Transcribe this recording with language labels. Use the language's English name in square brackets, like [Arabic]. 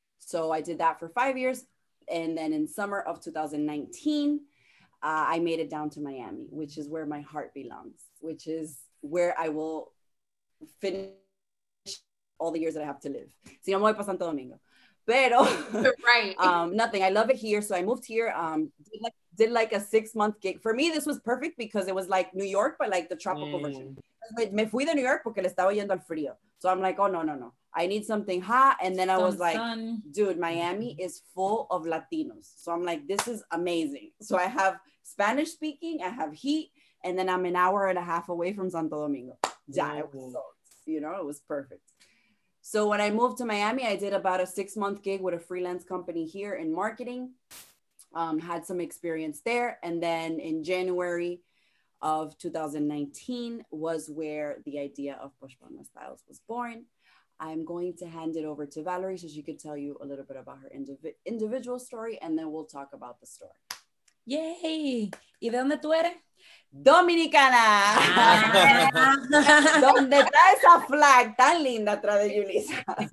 [English] So I did that for 5 years. And then in summer of 2019, I made it down to Miami, which is where my heart belongs, which is where I will finish all the years that I have to live. [Spanish] Si no me voy para Santo Domingo. [English] Right. Nothing. I love it here. So I moved here, did a 6-month gig. For me, this was perfect because it was like New York, but like the tropical version. [Spanish] Me fui de New York porque le estaba yendo al frío. [English] So I'm like, oh, no. I need something hot. And then I was like, dude, Miami is full of Latinos. So I'm like, this is amazing. So I have Spanish speaking, I have heat, and then I'm an hour and a half away from Santo Domingo. Yeah, it was so, you know, it was perfect. So when I moved to Miami, I did about a 6-month gig with a freelance company here in marketing, had some experience there. And then in January of 2019 was where the idea of Posh Palma Styles was born. I'm going to hand it over to Valerie so she could tell you a little bit about her individual story, and then we'll talk about the story. [Spanish] Yay! ¿Y de dónde tú eres? Dominicana! ¿Dónde está esa flag tan linda atrás de Julissa?